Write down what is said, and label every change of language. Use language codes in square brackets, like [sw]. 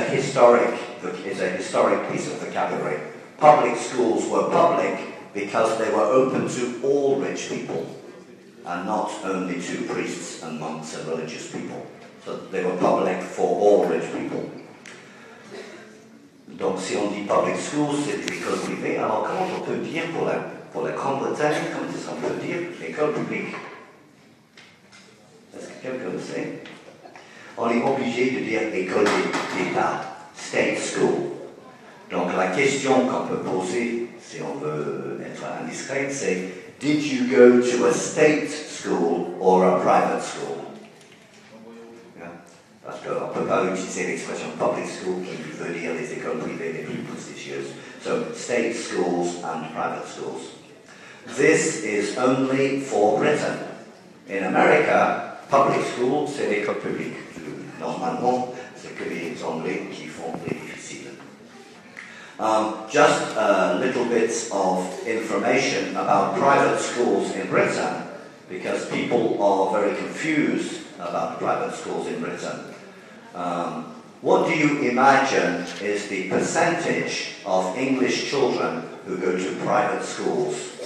[en] It's a historic piece of vocabulary. Public schools were public because they were open to all rich people and not only to priests and monks and religious people. So they were public for all rich people. [fr] Donc si on dit public schools, c'est une école privée. Alors comment on peut dire pour la conversation, comment est-ce qu'on peut dire école publique? Est-ce que quelqu'un le sait? On est obligé de dire école d'État, state school. Donc la question qu'on peut poser, si on veut être indiscret, c'est [en] did you go to a state school or a private school? Yeah. [fr] Parce qu'on ne peut pas utiliser l'expression public school qui veut dire les écoles privées les plus prestigieuses. [en] So state schools and private schools. This is only for Britain. In America, [fr] public school, c'est l'école publique. Normalement, c'est que les Anglais qui font les difficiles. [en] Just a little bit of information about private schools in Britain, because people are very confused about private schools in Britain. What do you imagine is the percentage of English children who go to private schools?